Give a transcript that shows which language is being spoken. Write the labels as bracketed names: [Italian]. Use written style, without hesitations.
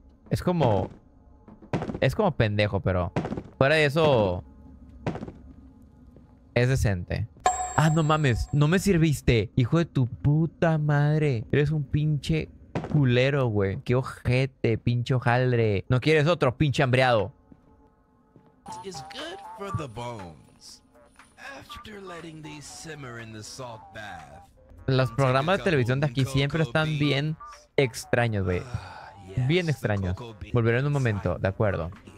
[Spanish] Es como pendejo, pero... Fuera de eso... Es decente. ¡Ah, no mames! ¡No me sirviste! ¡Hijo de tu puta madre! Eres un pinche... culero, güey. Qué ojete, pinche hojaldre. No quieres otro, pinche hambreado. [English] Is good for the bones. After letting these simmer in the salt bath. [Spanish] Los programas de televisión de aquí siempre están bien extraños, güey. Bien extraños. Volveré en un momento, de acuerdo.